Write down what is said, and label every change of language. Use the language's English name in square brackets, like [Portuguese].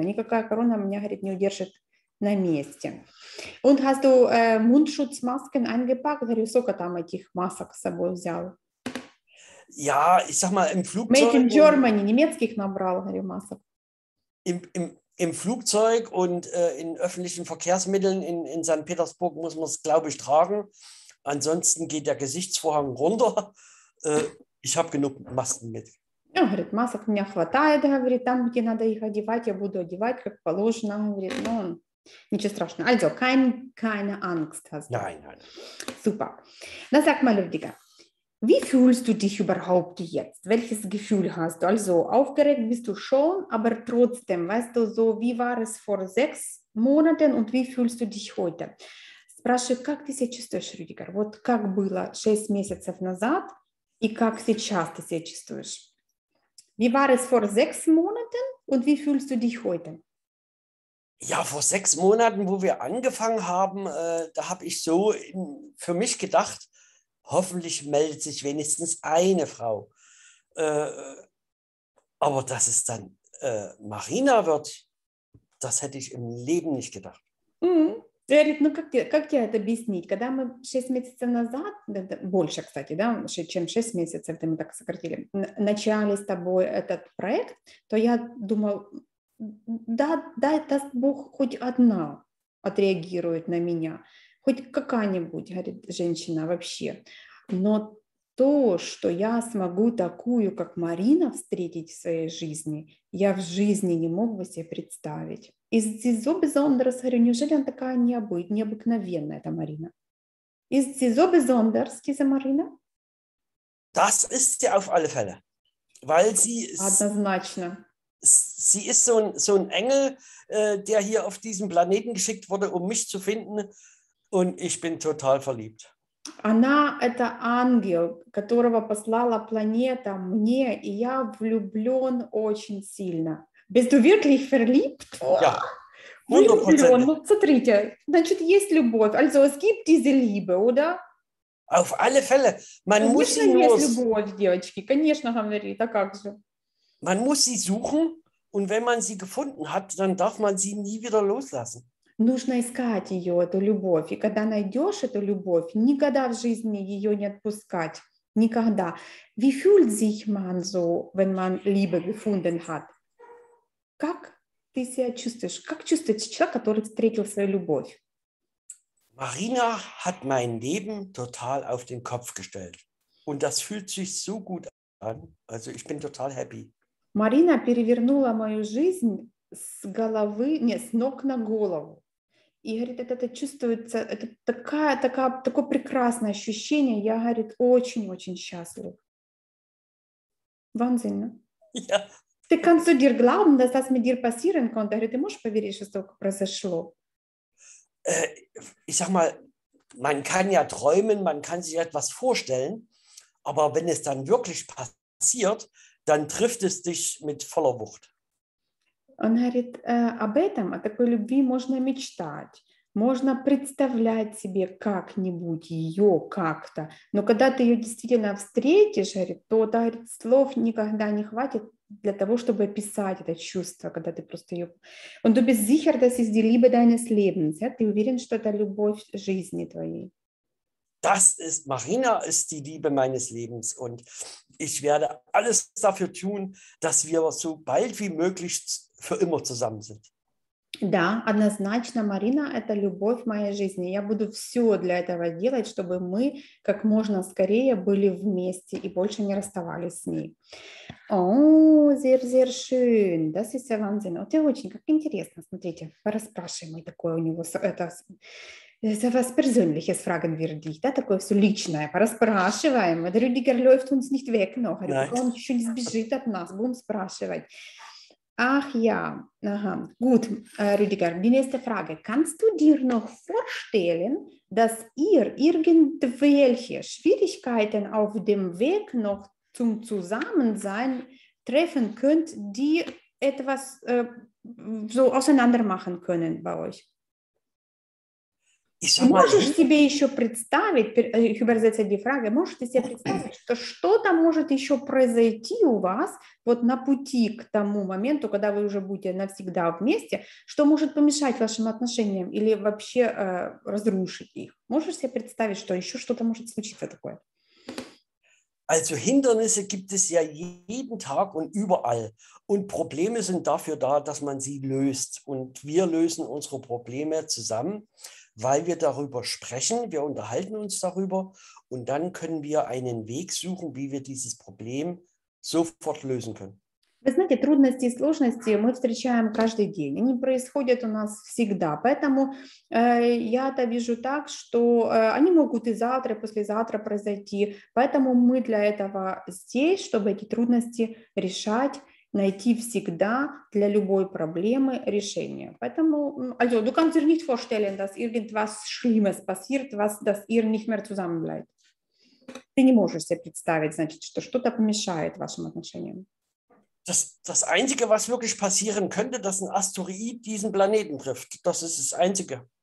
[Russian] Никакая корона меня, говорит, не удержит на месте. [German] Und hast du Mundschutzmasken eingepackt? [Russian] Говорю, сколько там этих масок с собой взял? [German] Ja, ich sag mal, im [English] Made [German] Flugzeug [English] in Germany, [Russian] немецких набрал, говорю, масок. [German] im Flugzeug und in öffentlichen Verkehrsmitteln in St. Petersburg muss man es, glaube ich, tragen. Ansonsten geht der Gesichtsvorhang runter. Ich habe genug Masken mit. [Russian] Он говорит, масок у меня хватает, говорит, там, где надо их одевать, я буду одевать, как положено, говорит, ну, ничего страшного. [German] Also, keine Angst hast du. Nein, nein. Super. Na, sag mal, Ludwig, wie fühlst du dich überhaupt jetzt? Welches Gefühl hast du? Also, aufgeregt bist du schon, aber trotzdem, weißt du, so, wie war es vor 6 Monaten und wie fühlst du dich heute? Спрашиваю, как ты себя чувствуешь, Рюдигер? Вот как было 6 месяцев назад и как сейчас ты себя чувствуешь? Wie war es vor 6 Monaten und wie fühlst du dich heute? Ja, vor 6 Monaten, wo wir angefangen haben, da habe ich so für mich gedacht, hoffentlich meldet sich wenigstens eine Frau. Aber dass es dann Marina wird, das hätte ich im Leben nicht gedacht. [Russian] Говорит, ну как тебе это объяснить? Когда мы 6 месяцев назад, больше, кстати, да, чем 6 месяцев, это мы так сократили, начали с тобой этот проект, то я думал, да, да, даст Бог, хоть одна отреагирует на меня, хоть какая-нибудь, говорит, женщина вообще. Но то, что я смогу такую, как Марина, встретить в своей жизни, я в жизни не мог бы себе представить. [German] Из Зизо Безондерс, [Russian] говорю, неужели она такая необыкновенная, эта Марина? [German] Из Зизо Безондерс, diese Марина? Das ist sie auf alle Fälle. Weil sie [Russian] однозначно. [German] Sie ist so ein Engel, der hier auf diesen Planeten geschickt wurde, um mich zu finden. Und ich bin total verliebt. [Russian] Она это ангел, которого послала планета мне, и я влюблен очень сильно. [German] Bist du wirklich verliebt? Ja, [Russian] 100%. Значит, есть любовь. [German] Also, es gibt diese Liebe, oder? Auf alle Fälle. Man muss sie nur... [Russian] Конечно, есть любовь, девочки. Конечно, говорит, а как же? [German] Man muss sie suchen, und wenn man sie gefunden hat, dann darf man sie nie wieder loslassen. [Russian] Нужно искать ее, эту любовь. И когда найдешь эту любовь, никогда в жизни ее не отпускать. Никогда. [German] Wie fühlt sich man so, wenn man Liebe gefunden hat? [Russian] Как ты себя чувствуешь? Как чувствуется человек, который встретил свою любовь? [German] Marina hat mein Leben total auf den Kopf gestellt. Und das fühlt sich so gut an. Also ich bin total happy. [Russian] Marina перевернула мою жизнь с головы, нет, с ног на голову. И говорит, это чувствуется, это такое прекрасное ощущение. Я, говорит, очень-очень счастлив. [German] Wahnsinn, ne? Ja. [Russian] Ты [German] kannst du dir glauben, dass das mit dir passieren konnte? [Russian] Говорю, ты можешь поверить, что это произошло? [German] Ich sag mal, man kann ja träumen, man kann sich etwas vorstellen, aber wenn es dann wirklich passiert, dann trifft es dich mit voller Wucht. [Russian] Он говорит, об этом, о такой любви можно мечтать, можно представлять себе как-нибудь ее как-то, но когда ты ее действительно встретишь, говорит, то да, говорит, слов никогда не хватит, для того, чтобы описать это чувство, когда ты просто ее... [German] Und du bist sicher, dass es die Liebe deines Lebens, ja? [Russian] Ты уверен, что это любовь жизни твоей. [German] Das ist, Marina ist die Liebe meines Lebens und ich werde alles dafür tun, dass wir so bald wie möglich für immer zusammen sind. [Russian] Да, однозначно, Марина – это любовь моей жизни. Я буду все для этого делать, чтобы мы как можно скорее были вместе и больше не расставались с ней. [German] О, sehr, sehr schön. Das ist der Wahnsinn. [Russian] Вот это очень как интересно. Смотрите, порасспрашиваем мы такое у него. Это [German] was persönliches fragen wir dich, [Russian] да, такое все личное. Порасспрашиваем. [German] Der Rüdiger läuft uns nicht weg noch. [Russian] Он еще не сбежит от нас. Будем спрашивать. [German] Ach ja, aha. Gut, Rüdiger, die nächste Frage. Kannst du dir noch vorstellen, dass ihr irgendwelche Schwierigkeiten auf dem Weg noch zum Zusammensein treffen könnt, die etwas so auseinander machen können bei euch? [Russian] Можешь себе еще представить, [German] ich übersetze die Frage, [Russian] можешь ты себе представить, что что-то может еще произойти у вас вот на пути к тому моменту, когда вы уже будете навсегда вместе, что может помешать вашим отношениям или вообще разрушить их? Можешь себе представить, что еще что-то может случиться такое? [German] Also Hindernisse gibt es ja jeden Tag und überall. Und Probleme sind dafür da, dass man sie löst. Und wir lösen unsere Probleme zusammen, weil wir darüber sprechen, wir unterhalten uns darüber und dann können wir einen Weg suchen, wie wir dieses Problem sofort lösen können. [Russian] Вы знаете, трудности и сложности мы встречаем каждый день. Они происходят у нас всегда. Поэтому я это вижу так, что они могут и завтра, и послезавтра произойти. Поэтому мы для этого здесь, чтобы эти трудности решать, найти всегда для любой проблемы решение. Поэтому, [German] also, du kannst dir nicht vorstellen, dass irgendwas Schlimmes passiert, dass ihr nicht mehr zusammenbleibt. [Russian] Ты не можешь себе представить, значит, что что-то помешает вашим отношениям. [German] Das Einzige, was wirklich passieren könnte, dass ein Asteroid diesen Planeten trifft. Das ist das Einzige.